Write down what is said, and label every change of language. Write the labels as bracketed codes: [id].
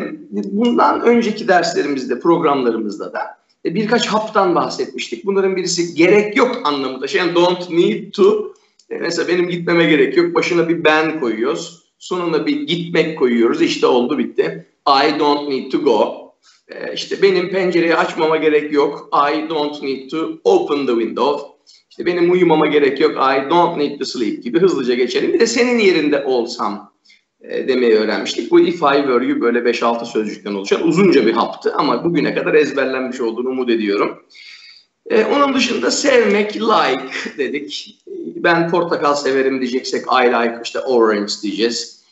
[tr] Bundan önceki derslerimizde, programlarımızda da birkaç haftan bahsetmiştik. Bunların birisi gerek yok anlamında. Şey, yani [en] don't need to. [tr] Mesela benim gitmeme gerek yok. Başına bir ben koyuyoruz. Sonuna bir gitmek koyuyoruz. İşte oldu bitti. [en] I don't need to go. [tr] İşte benim pencereyi açmama gerek yok. [en] I don't need to open the window. [tr] İşte benim uyumama gerek yok. [en] I don't need to sleep [tr] gibi hızlıca geçelim. Bir de senin yerinde olsam demeyi öğrenmiştik. Bu [en] if I were you [tr] böyle 5-6 sözcükten oluşan uzunca bir haptı ama bugüne kadar ezberlenmiş olduğunu umut ediyorum. Onun dışında sevmek, like dedik. Ben portakal severim diyeceksek I like, işte orange diyeceğiz.